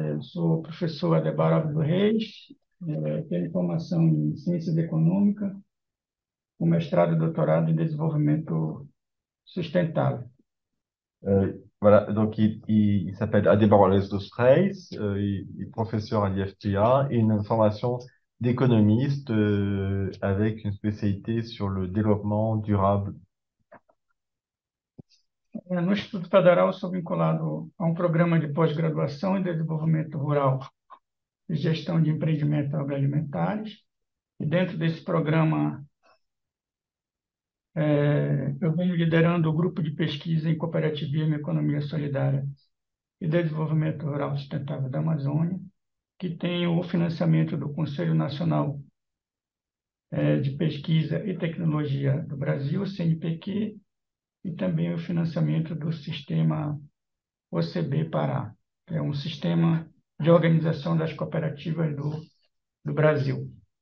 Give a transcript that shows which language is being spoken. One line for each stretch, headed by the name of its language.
Portuguese: Sou o professor Adebar Alves Reis, tenho formação em Ciências Econômicas, com mestrado e doutorado em Desenvolvimento Sustentável.
French: Voilà, donc il s'appelle Adebawo Alves dos Reis, il est professeur à l'IFTA et une formation d'économiste avec une spécialité sur le développement durable.
Portuguese: No Instituto Federal, sou vinculado a um programa de pós-graduação em desenvolvimento rural e gestão de empreendimentos agroalimentares. E dentro desse programa, eu venho liderando o grupo de pesquisa em cooperativismo, economia solidária e desenvolvimento rural sustentável da Amazônia, que tem o financiamento do Conselho Nacional de Pesquisa e Tecnologia do Brasil, CNPq, e também o financiamento do sistema OCB Pará, que é um sistema de organização das cooperativas do Brasil.